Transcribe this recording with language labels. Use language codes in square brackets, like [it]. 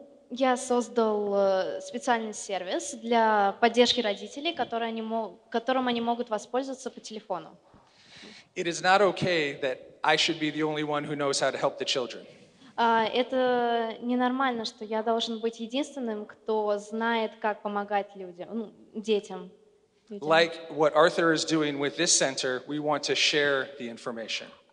[ru] Я создал специальный сервис для поддержки родителей, которым они могут воспользоваться по телефону. [en] It is not okay that I should be the only one who knows how to help the children. [ru] Это ненормально, что я должен быть единственным, кто знает, как помогать людям, детям. [en] Like what Arthur is doing with this center, we want to share the information.